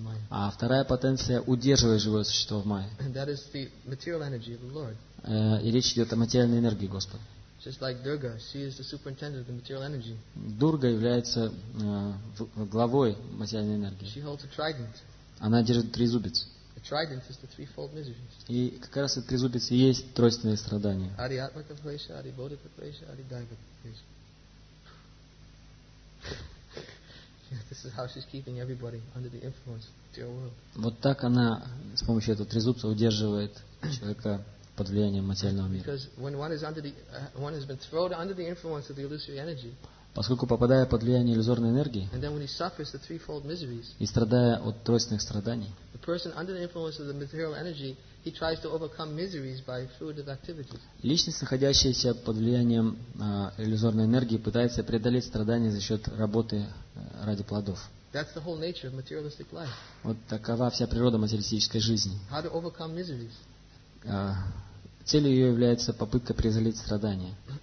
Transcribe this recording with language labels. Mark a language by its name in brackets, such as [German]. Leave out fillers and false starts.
[Russian] А вторая потенция удерживает живое существо в майе. И речь идет о материальной энергии Господа. [English] Just like Durga, she is the superintendent of the material energy. [Russian] Дурга является главой материальной энергии. [English] She holds a trident. [Russian] Она держит трезубец. [English] A trident is the threefold miseries. [Russian] И как раз этот трезубец и есть тройственные страдания. [Sanskrit] Ari atma klesha, ari bodhi klesha, ari daiva klesha. [English] This is how she's keeping everybody under the influence of the material world. [Russian] Вот так она с помощью этого трезубца удерживает человека под влиянием материального мира. [English] Because when one is under the, one has been thrown under the influence of the illusory energy. [Russian] Поскольку попадая под влияние иллюзорной энергии. [English] And then when he suffers the threefold miseries. [Russian] И страдая от тройственных страданий. [English] The person under the influence of the material energy, he tries to overcome miseries by fruitive activities. [Russian] Личность, находящаяся под влиянием иллюзорной энергии, пытается преодолеть страдания за счет работы ради плодов. [English] That's the whole nature of materialistic life. [Russian] Вот такова вся природа материалистической жизни. [English] How to overcome miseries. [Russian] Целью ее является попытка преодолеть страдания.